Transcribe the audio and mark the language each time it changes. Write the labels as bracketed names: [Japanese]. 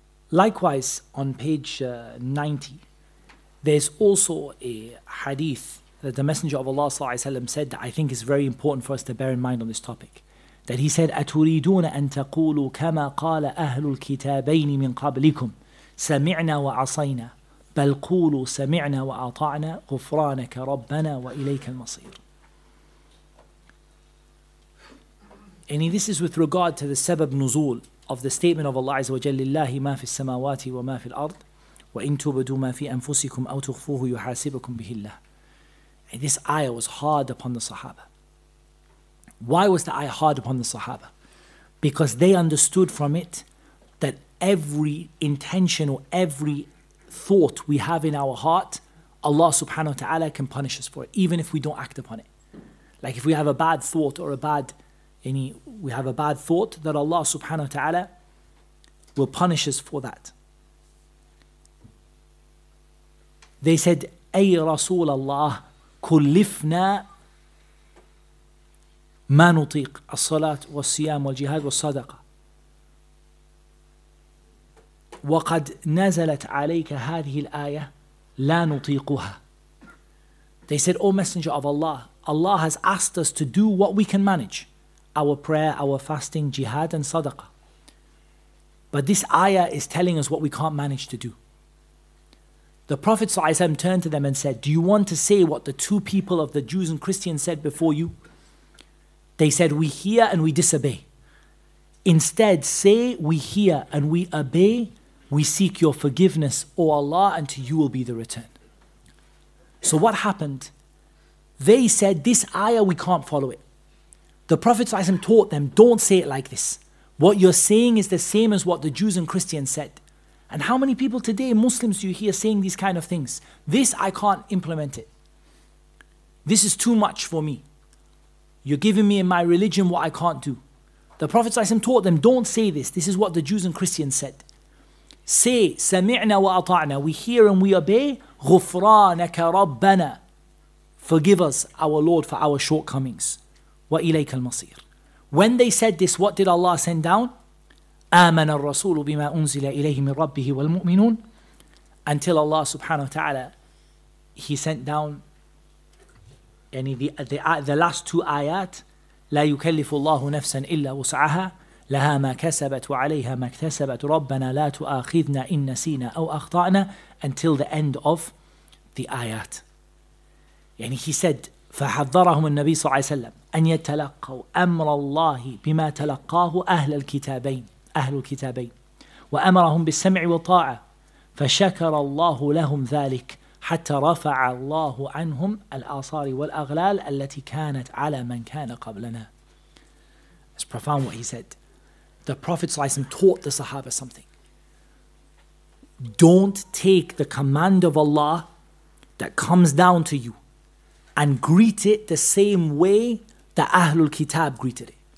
[English] Likewise, on page 90, there's also a hadith that the Messenger of Allah ﷺ said that I think is very important for us to bear in mind on this topic. that he said, [Arabic] أَتُرِيدُونَ أَن تَقُولُوا كَمَا قَالَ أَهْلُ الْكِتَابَيْنِ مِنْ قَبْلِكُمْ سَمِعْنَا وَعَصَيْنَا بَلْ قُولُوا سَمِعْنَا وَأَطَعْنَا غُفْرَانَكَ رَبَّنَا وَإِلَيْكَ الْمَصِيرُ. [English] And this is with regard to the sabab nuzul of the statement of Allah Azza wa Jalla, [Arabic] لِلَّهِ مَا فِي السَّمَاوَاتِ وَمَا فِي الْأَرْضِ وَإِنْ تُبْدُوا مَا فِي أَنفُسِكُمْ أَوْ تُخْفُوهُ يُحَاسِبُكُمْ بِهِ اللَّهُ. [English] And this ayah was hard upon the Sahaba. Why was the ayah hard upon the Sahaba? Because they understood from it that every intention or every thought we have in our heart, Allah subhanahu wa ta'ala can punish us for it, even if we don't act upon it. Like if we have a bad thought or a bad thought, that Allah subhanahu wa ta'ala will punish us for that. They said, [Arabic] Ay Rasul Allah, kullifna ما نطيق الصلاة والصيام والجهاد والصدقة وقد نزلت عليك هذه الآية لا نطيقها. [English] They said, O Messenger of Allah, Allah has asked us to do what we can manage, our prayer, our fasting, jihad and sadaqah, but this ayah is telling us what we can't manage to do. The Prophet ﷺ turned to them and said, do you want to say what the two people of the Jews and Christians said before you? They said, we hear and we disobey. Instead, say, we hear and we obey, we seek your forgiveness, O Allah, and to you will be the return. So what happened? They said, this ayah, we can't follow it. The Prophet ﷺ taught them, don't say it like this. What you're saying is the same as what the Jews and Christians said. And how many people today, Muslims, do you hear saying these kind of things? This, I can't implement it. This is too much for me. You're giving me in my religion what I can't do. The Prophet ﷺ taught them, don't say this. This is what the Jews and Christians said. Say, [Arabic] سَمِعْنَا وَأَطَعْنَا. [English] We hear and we obey. [Arabic] غُفْرَانَكَ رَبَّنَا. [English] Forgive us, our Lord, for our shortcomings. [Arabic] وَإِلَيْكَ الْمَصِيرُ. [English] When they said this, what did Allah send down? [Arabic] آمَنَ الرَّسُولُ بِمَا أُنزِلَ إِلَيْهِ مِنْ رَبِّهِ وَالْمُؤْمِنُونَ. [English] Until Allah subhanahu wa ta'ala, He sent down the last two ayat, [Arabic] لا يكلف الله نفسا إلا وسعها لها ما كسبت وعليها ما اكتسبت ربنا لا تؤاخذنا إن نسينا أو أخطأنا, [English] until the end of the ayat. [Arabic] يعني [English] he said, [Arabic] فحذرهم النبي صلى الله عليه وسلم أن يتلقوا أمر الله بما تلقاه أهل الكتابين أهل الكتابين وأمرهم بالسمع والطاعة فشكر الله لهم ذلك حتى رفع الله عنهم الآثار والأغلال التي كانت على من كان قبلنا. [English] It's profound what he said. The Prophet ﷺ taught the Sahaba something. Don't take the command of Allah that comes down to you and greet it the same way that Ahlul Kitab greeted it.